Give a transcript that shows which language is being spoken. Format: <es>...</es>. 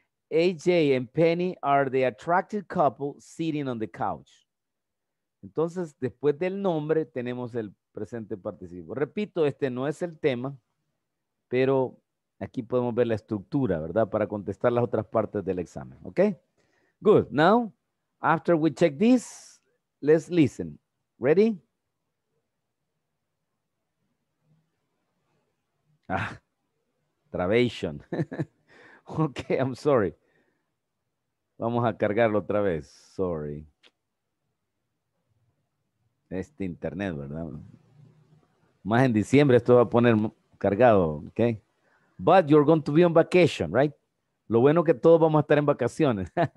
<en>AJ and Penny are the attractive couple sitting on the couch.</en> <es>Entonces, después del nombre, tenemos el presente participio. Repito, este no es el tema, pero aquí podemos ver la estructura, ¿verdad? Para contestar las otras partes del examen, ¿ok?</es> <en>Good. Now, after we check this, let's listen. Ready? Ah, trabation. Ok, I'm sorry.</en> <es>Vamos a cargarlo otra vez.</es> <en>Sorry.</en> <es>Este internet, ¿verdad? Más en diciembre esto va a poner cargado, ¿ok?</es> <en>But you're going to be on vacation, right?</en> <es>Lo bueno que todos vamos a estar en vacaciones.</es>